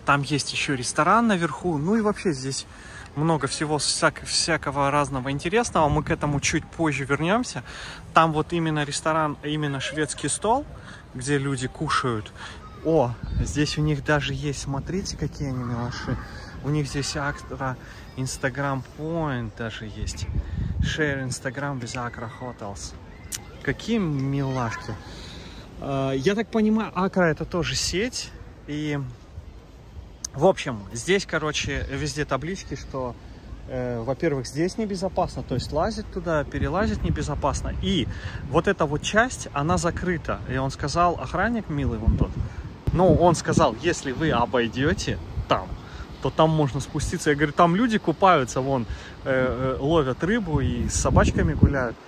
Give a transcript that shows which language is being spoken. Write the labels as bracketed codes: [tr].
[ru] Там есть еще ресторан наверху. Ну и вообще здесь много всего всякого разного интересного. Мы к этому чуть позже вернемся. Там вот именно ресторан, именно шведский стол, где люди кушают. О, здесь у них даже есть, смотрите, какие они милоши. У них здесь Accra Instagram Point даже есть. [en] Share Instagram with Accra Hotels. [ru] Какие милашки. Я так понимаю, Accra — это тоже сеть. И, в общем, здесь, короче, везде таблички, что, во-первых, здесь небезопасно, то есть лазить туда, перелазить небезопасно. И вот эта вот часть, она закрыта. И он сказал, охранник милый вон тот, ну, он сказал, если вы обойдете там, то там можно спуститься. Я говорю, там люди купаются, вон, ловят рыбу и с собачками гуляют.